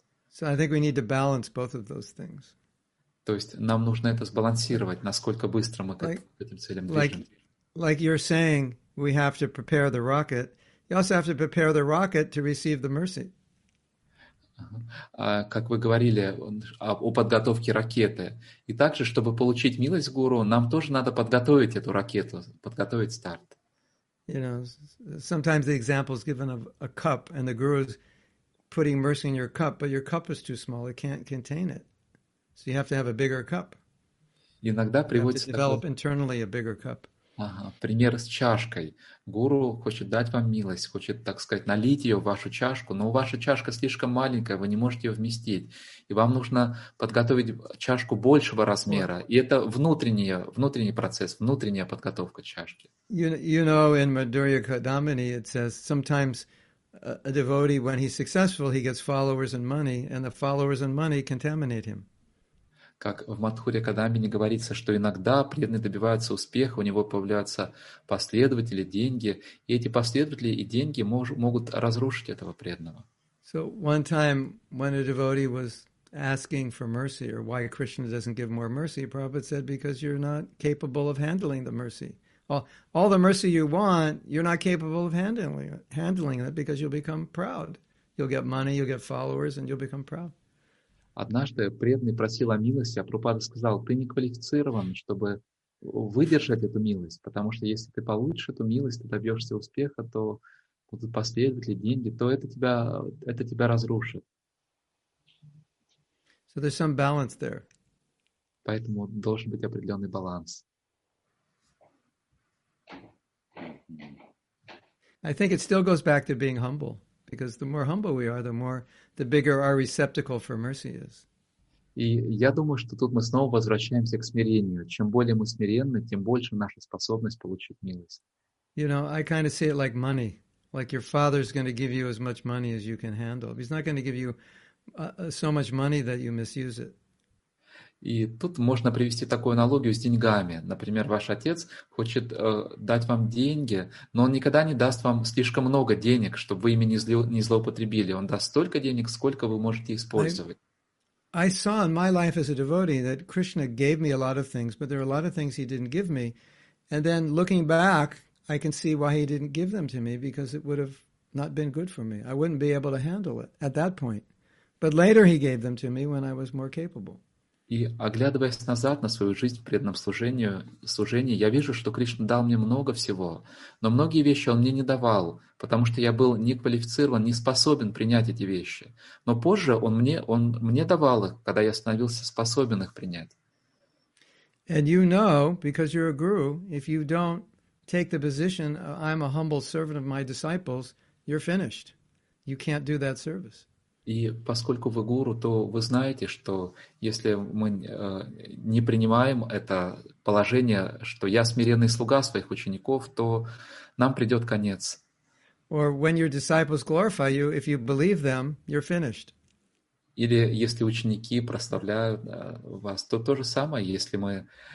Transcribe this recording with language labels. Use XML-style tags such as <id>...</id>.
<en>So I think we need to balance both of those things.</en> <ru>То есть нам нужно это сбалансировать, насколько быстро мы к этим целям движемся.</ru> <en>Like you're saying, we have to prepare the rocket. You also have to prepare the rocket to receive the mercy.</en> <ru>Как вы говорили о подготовке ракеты. И также, чтобы получить милость Гуру, нам тоже надо подготовить эту ракету, подготовить старт.</ru> <en>You know, sometimes the example is given of a cup and the Guru's putting mercy in your cup, but your cup is too small, it can't contain it. So you have to have a bigger cup.</en> <ru>Иногда приводится</ru> <en>develop internally a bigger cup.</en> <ru>Ага, пример с чашкой. Гуру хочет дать вам милость, хочет, так сказать, налить ее в вашу чашку, но ваша чашка слишком маленькая, вы не можете ее вместить. И вам нужно подготовить чашку большего размера. И это внутренний процесс, внутренняя подготовка чашки.</ru> <en>You know, in Madhurya Kadamani it says sometimes a devotee, when he's successful, he gets followers and money, and the followers and money contaminate him.</en> <ru>Как в Мадхуре Кадамбине говорится, что иногда преданный добивается успеха, у него появляются последователи, деньги, и эти последователи и деньги могут разрушить этого преданного.</ru> <en>So one time, when a devotee was asking for mercy, or why Krishna doesn't give more mercy, Prabhupada said, because you're not capable of handling the mercy. All the mercy you want, you're not capable of handling it because you'll become proud. You'll get money, you'll get followers, and you'll become proud.</en> <ru>Однажды преданный просил о милости, а Прабхупада сказал, ты не квалифицирован, чтобы выдержать эту милость, потому что если ты получишь эту милость, ты добьешься успеха, то будут последователи, деньги, то это тебя разрушит.</ru> <en>So there's some balance there.</en> <ru>Поэтому должен быть определенный баланс.</ru> <en>I think it still goes back to being humble. because the more humble we are, the bigger our receptacle for mercy is.</en> <ru>И я думаю, что тут мы снова возвращаемся к смирению. Чем более мы смиренны, тем больше наша способность получить милость.</ru> <en>You know, I kind of see it like money. Like your father's going to give you as much money as you can handle. He's not going to give you so much money that you misuse it.</en> <ru>И тут можно привести такую аналогию с деньгами. Например, ваш отец хочет дать вам деньги, но он никогда не даст вам слишком много денег, чтобы вы ими не злоупотребили. Он даст столько денег, сколько вы можете использовать.</ru> <en>I saw in my life as a devotee that Krishna gave me a lot of things, but there are a lot of things he didn't give me. And then looking back, I can see why he didn't give them to me, because it would have not been good for me. I wouldn't be able to handle it at that point. But later he gave them to me when I was more capable.</en> <ru>И оглядываясь назад на свою жизнь в преданном служении, я вижу, что Кришна дал мне много всего, но многие вещи он мне не давал, потому что я был не квалифицирован, не способен принять эти вещи. Но позже он мне давал их, когда я становился способен их принять.</ru> <en>And you know, because you're a guru, if you don't take the position, I'm a humble servant of my disciples, you're finished. You can't do that service.</en> <ru>И поскольку вы гуру, то вы знаете, что если мы не принимаем это положение, что я смиренный слуга своих учеников, то нам придет конец.</ru> <en>Or when your disciples glorify you, if you believe them, you're finished.</en> <ru>Или если ученики прославляют вас, то то же самое, если мы...</ru>